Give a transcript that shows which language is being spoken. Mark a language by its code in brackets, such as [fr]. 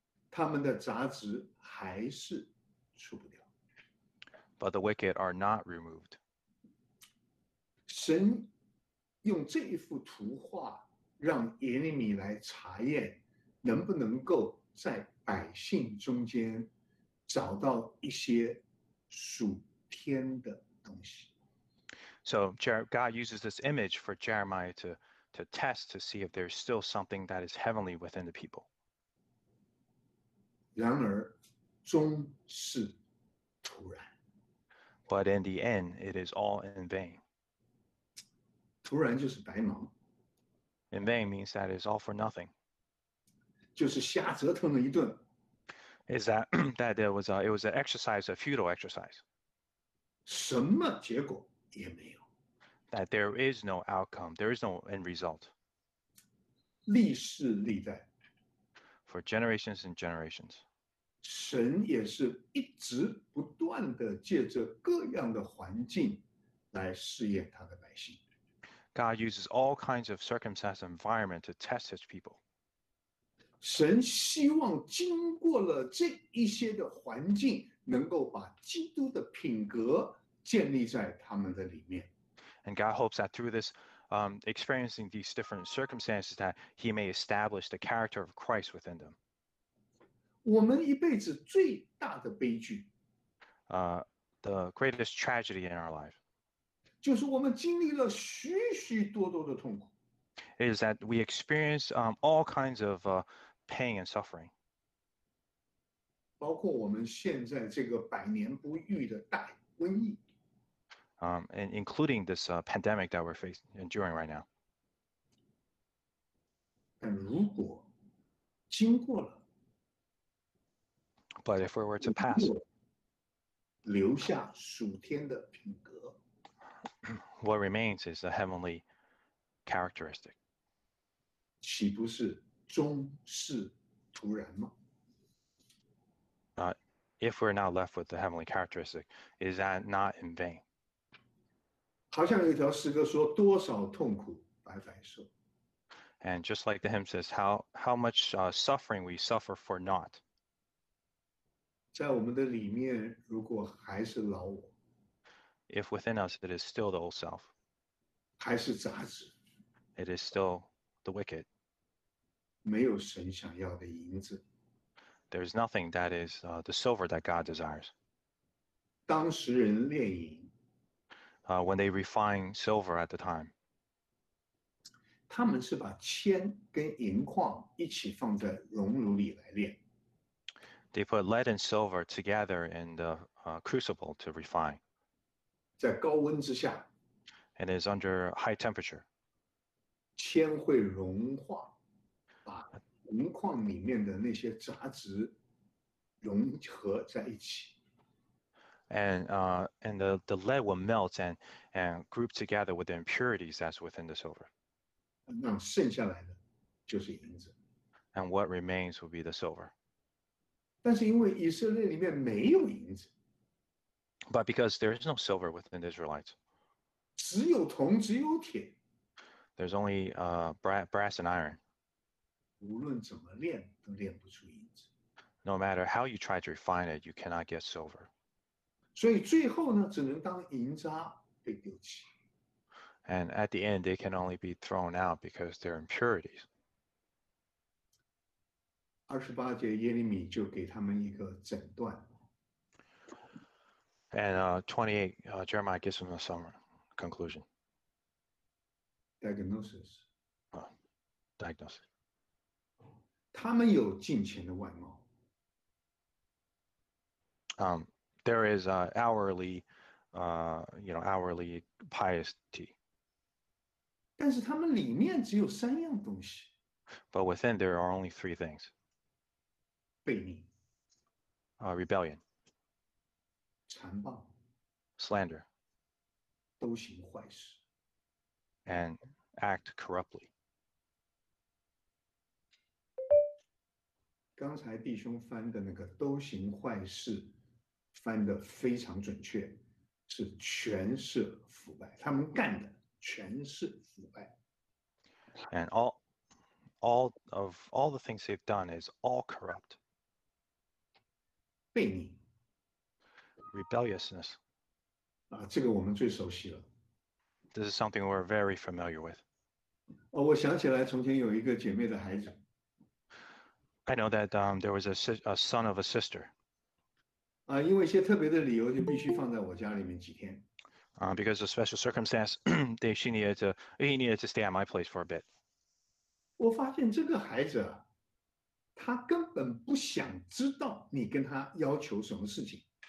[zh] 他们的杂质还是除不掉。 [en] But the wicked are not removed. [zh] 神用这一幅图画让耶利米来查验，能不能够在百姓中间找到一些属天的东西。 [en] So God uses this image for Jeremiah to test to see if there's still something that is heavenly within the people. [zh] 然而，终是徒然。 [en] But in the end, it is all in vain. [zh] 徒然就是白忙。 [en] In vain means that it's all for nothing. [zh] 就是瞎折腾了一顿。 [en] Is that there was a, it was an exercise, a futile exercise. [zh] 什么结果也没有。 [en] That there is no outcome, there is no end result. [zh] 历世历代。 [en] For generations and generations. [zh] 神也是一直不断地借着各样的环境来试验他的百姓。 [en] God uses all kinds of circumstances and environment to test his people. [zh] 神希望经过了这一些的环境，能够把基督的品格建立在他们的里面。 [en] And God hopes that through this, experiencing these different circumstances, that he may establish the character of Christ within them. [zh] 我们一辈子最大的悲剧 [en] the greatest tragedy in our life. [zh] 就是我们经历了许许多多的痛苦。 [en] Is that we experience all kinds of pain and suffering. [zh] 包括我们现在这个百年不遇的大瘟疫。 [en] And including this pandemic that we're enduring right now. [zh] 但如果经过了 [en] But if we were to pass, [zh] 留下属天的品格 [en] what remains is a heavenly characteristic. [zh] 岂不是终是徒然吗？ [en] If we're not left with the heavenly characteristic, is that not in vain? [zh] 好像有一条诗歌说多少痛苦白白受。 [en] And just like the hymn says, how much suffering we suffer for naught. [zh] 在我们的里面如果还是老我。 [en] If within us it is still the old self. [zh] 还是杂质。 [en] It is still the wicked. [zh] 没有神想要的银子。 [en] There's nothing that is the silver that God desires. [zh] 当时人炼银。 [en] When they refine silver at the time. [zh] 他们是把铅跟银矿一起放在熔炉里来炼。 [en] They put lead and silver together in the crucible to refine. [zh] 在高温之下。 [en] And it is under high temperature. [zh] 铅会融化，把银矿里面的那些杂质融合在一起。 [en] And the lead will melt and group together with the impurities that's within the silver. [zh] 那剩下来的就是银子。 [en] And what remains will be the silver. [zh] 但是因为以色列里面没有银子。 [en] But because there is no silver within the Israelites. [zh] 只有铜，只有铁。 [en] There's only brass and iron. [zh] 无论怎么炼，都炼不出银子。 [en] No matter how you try to refine it, you cannot get silver. [zh] 所以最后呢，只能当银渣被丢弃。 [en] And at the end, they can only be thrown out because they're impurities. [zh] 28节耶利米就给他们一个诊断。 [en] And 28, Jeremiah gives them a summary, conclusion. Diagnosis. Diagnosis. [zh] 他们有敬虔的外貌。 [en] There is a hourly, hourly piety. [zh] 但是他们里面只有三样东西。 [en] But within there are only three things. [zh] 悖逆。 [en] Rebellion. [zh] 残暴。 [en] Slander. [zh] 都行坏事。 [en] And act corruptly. [zh] 刚才弟兄翻的那个都行坏事。翻得非常准确，是全是腐败，他们干的全是腐败。 [en] And all the things they've done is all corrupt. [zh] 悖逆。 [en] Rebelliousness. [zh] 这个我们最熟悉了。 [en] This is something we're very familiar with. [zh] 我想起来从前有一个姐妹的孩子。 [en] I know that there was a son of a sister. [zh] 因为一些特别的理由就必须放在我家里面几天。 [en] Because of special circumstance, he needed to stay at my place for a bit. [zh] 我发现这个孩子，他根本不想知道你跟他要求什么事情。